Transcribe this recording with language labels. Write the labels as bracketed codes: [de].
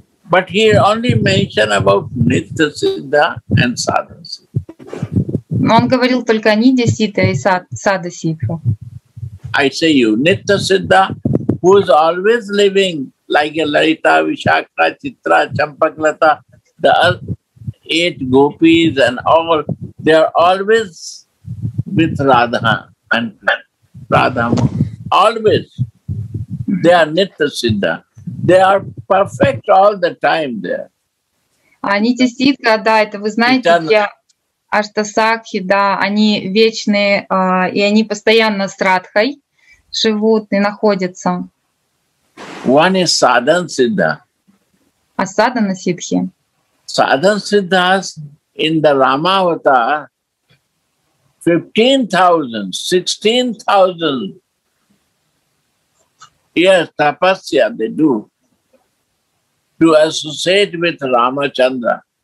[en] But he only mentioned about Nitya Siddha and Sadha Siddha. [ru] Но он говорил только о Нитья Сидха и Сада Сидха. [en] I say you, Nitya Siddha, who is always living like a Larita, Vishakra, Chitra, Champaklata, the earth, eight gopis and all, they are always with Radha and Radha. Always. They are Nitya Siddha. They are perfect all the time there. [ru] Nitya Siddha, да, это вы знаете, я Аштасакхи, да, они вечные, и они постоянно с Радхой живут и находятся. [en] One is Sadhan Siddha. [ru] А Sadhana Siddhi? [en] Sadhan Siddhas in the Ramavatar, 15,000, 16,000 years tapasya they do to associate with Ramachandra.